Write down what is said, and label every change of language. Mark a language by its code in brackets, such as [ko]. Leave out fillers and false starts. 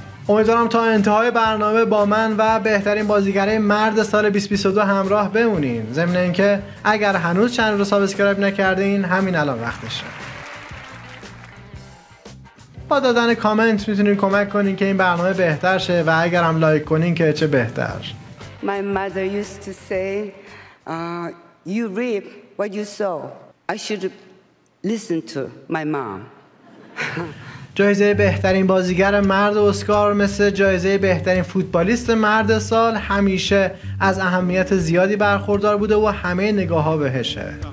[fa] امیدوارم تا انتهای برنامه با من و بهترین بازیگره مرد سال 2022 همراه بمونین. ضمن اینکه اگر هنوز چنل رو سابسکرایب نکردین همین الان وقتشه. با دادن کامنت میتونین کمک کنین که این برنامه بهتر شه و اگر هم لایک کنین که چه بهتر. [en] My mother used to say you reap what you sow. I should listen to my mom. [fa] جایزه بهترین بازیگر مرد اسکار مثل جایزه بهترین فوتبالیست مرد سال همیشه از اهمیت زیادی برخوردار بوده و همه نگاه ها بهشه.